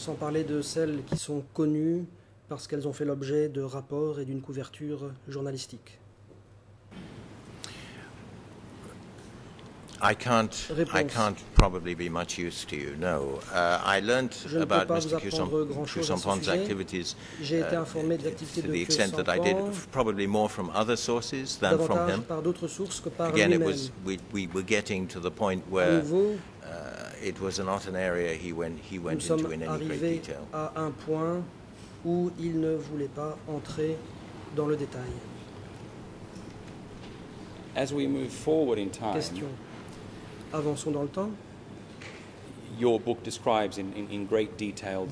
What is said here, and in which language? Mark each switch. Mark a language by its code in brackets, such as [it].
[fr] Sans parler de celles qui sont connues parce qu'elles ont fait l'objet de rapports et d'une couverture journalistique. [en] I can't probably be much use to you. No, I learned about Mr. Kusampan's activities to the extent that I did, probably more from other sources than from him. [fr] Par d'autres sources que par [en] Again, [fr] lui-même. [en] It was we were getting to the point where it was not an area he went [fr] nous [en] into in any great detail. [fr] À un point où il ne voulait pas entrer dans le détail. [en] As we move forward in time, [fr] question. Avançons dans le temps. [en] Your book describes in great detail the